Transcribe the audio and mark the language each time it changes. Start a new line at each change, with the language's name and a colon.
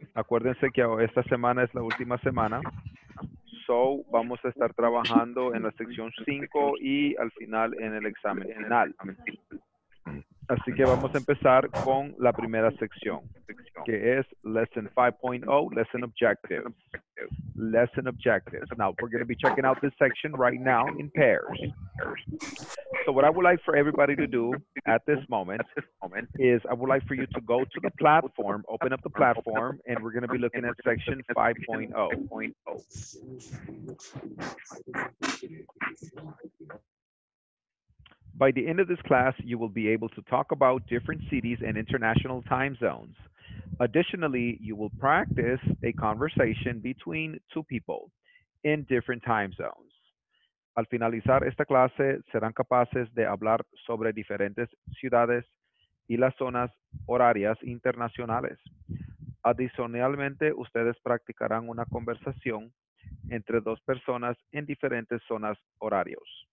Spanish: Acuérdense que esta semana es la última semana. So, vamos a estar trabajando en la sección 5 y al final en el examen final. Así que vamos a empezar con la primera sección, que es Lesson 5.0, Lesson Objectives.
English: Lesson Objectives. Now, we're going to be checking out this section right now in pairs. So what I would like for everybody to do at this moment is I would like for you to go to the platform, open up the platform, and we're going to be looking at section 5.0. By the end of this class, you will be able to talk about different cities and international time zones. Additionally, you will practice a conversation between two people in different time zones.
Spanish: Al finalizar esta clase, serán capaces de hablar sobre diferentes ciudades y las zonas horarias internacionales. Adicionalmente, ustedes practicarán una conversación entre dos personas en diferentes zonas horarios.